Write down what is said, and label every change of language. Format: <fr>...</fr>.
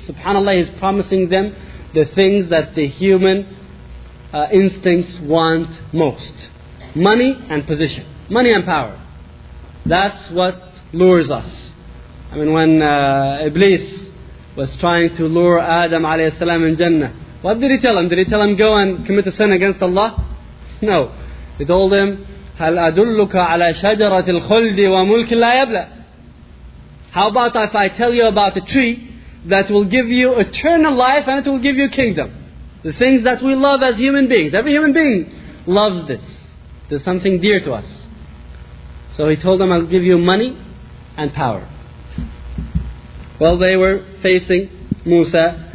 <en>SubhanAllah, he's promising them the things that the human instincts want most. Money and position. Money and power. That's what lures us. I mean, when Iblis was trying to lure Adam alayhi salam in Jannah, what did he tell him? Did he tell him, go and commit a sin against Allah? No. He told him,</en> <ar>هَلْ أَدُلُّكَ عَلَى شَجَرَةِ الْخُلْدِ وَمُلْكِ لَا يَبْلَى.</ar> <en>How about if I tell you about a tree that will give you eternal life and it will give you kingdom? The things that we love as human beings. Every human being loves this. There's something dear to us. So he told them, I'll give you money and power. Well, they were facing Musa.</en>